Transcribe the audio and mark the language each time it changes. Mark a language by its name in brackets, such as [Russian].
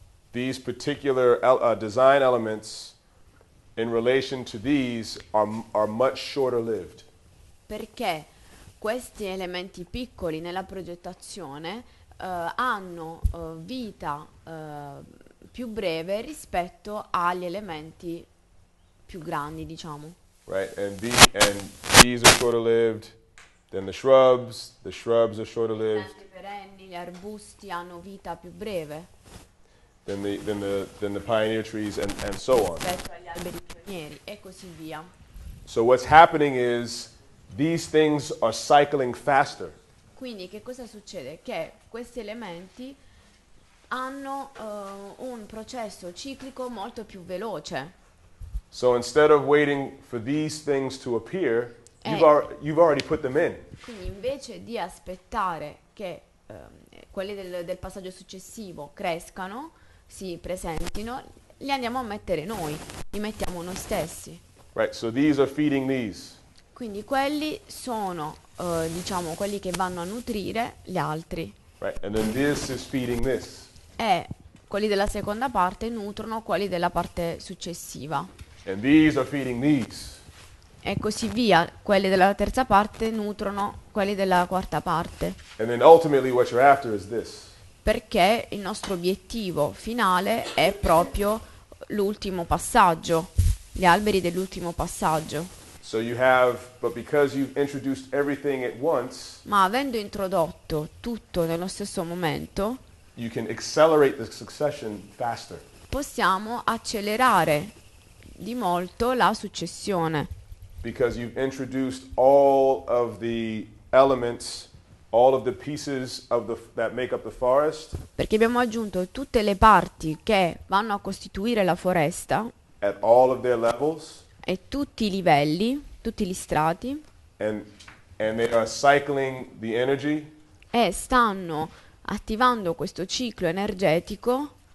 [English] These particular design elements in relation to these are much shorter lived. [Italian] perché questi elementi piccoli nella progettazione hanno vita più breve rispetto agli elementi più grandi, diciamo. [English] Right, and these are shorter lived than the shrubs are shorter lived. [Italian] I perenni, gli arbusti hanno vita più breve. [English] Than the pioneer trees and so on. [Italian] Rispetto agli alberi pionieri e così via. [English] So what's happening is these things are cycling faster. [Italian] Quindi che cosa succede? Che questi elementi hanno un processo ciclico molto più veloce. [English] So instead of waiting for these things to appear, you've already put them in. [Italian] Quindi invece di aspettare che quelli del passaggio successivo crescano, si presentino, li andiamo a mettere noi, li mettiamo noi stessi. [English] Right, so these are feeding these. [Italian] Quindi quelli sono, diciamo, quelli che vanno a nutrire gli altri. [English] Right, and then this is feeding this. [Italian] E quelli della seconda parte nutrono quelli della parte successiva. [English] And these are feeding these. [Italian] E così via, quelli della terza parte nutrono quelli della quarta parte. [English] And then ultimately what you're after is this. [Italian] Perché il nostro obiettivo finale è proprio l'ultimo passaggio, gli alberi dell'ultimo passaggio. [English] So you have, but because you've introduced everything at once, [Italian] ma avendo introdotto tutto nello stesso momento, [English] you can accelerate the succession faster. [Italian] Possiamo accelerare di molto la successione. [English] Because you've introduced all of the elements, all of the pieces of the that make up the forest. [Italian] Perché abbiamo aggiunto tutte le parti che vanno a costituire la foresta. [English] At all of their levels. [Italian] E tutti i livelli, tutti gli strati. [English] And they are cycling the energy. [Italian] E stanno attivando questo ciclo energetico.